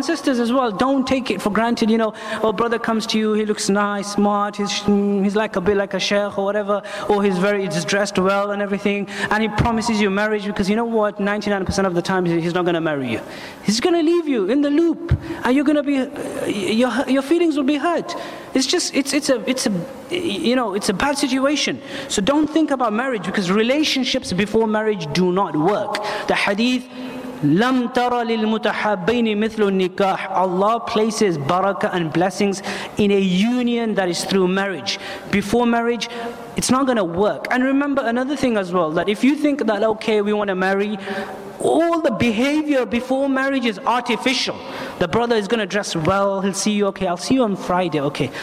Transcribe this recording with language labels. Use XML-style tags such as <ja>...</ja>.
<en>And sisters as well, don't take it for granted, you know, a brother comes to you, he looks nice, smart, he's like a bit like a sheikh or whatever, or he's very, he's dressed well and everything, and he promises you marriage, because you know what, 99% of the time he's not going to marry you. He's going to leave you in the loop, and you're going to be, your feelings will be hurt. It's just, it's a bad situation. So don't think about marriage, because relationships before marriage do not work. The hadith,</en> <ar>لَمْ تَرَ لِلْمُتَحَبَّيْنِ مِثْلُ النِّكَاحِ.</ar> <en>Allah places barakah and blessings in a union that is through marriage. Before marriage, it's not going to work. And remember another thing as well, that if you think that, okay, we want to marry, all the behavior before marriage is artificial. The brother is going to dress well, he'll see you, okay, I'll see you on Friday, okay.</en>